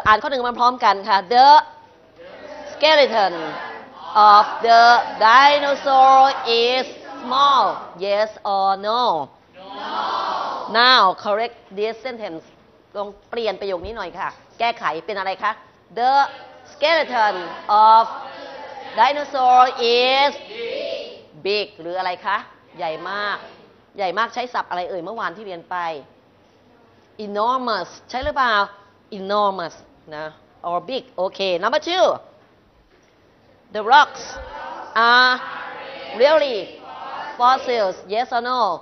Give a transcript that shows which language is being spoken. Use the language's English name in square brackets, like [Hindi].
[Thai] อ่านข้อหนึ่งมาพร้อมกันค่ะ [English] The skeleton of the dinosaur is small. Yes or no? No. Now correct this sentence. [Thai] ลองเปลี่ยนประโยคนี้หน่อยค่ะแก้ไขเป็นอะไรคะ [English] The skeleton of dinosaur is big [Thai] หรืออะไรคะใหญ่มากใหญ่มากใช้ศัพท์อะไรเอ่ยเมื่อวานที่เรียนไปenormous ใช่หรือเปล่า enormous นะ [English] or big [Thai] โอเค [English] number 2 the rocks are really fossils yes or no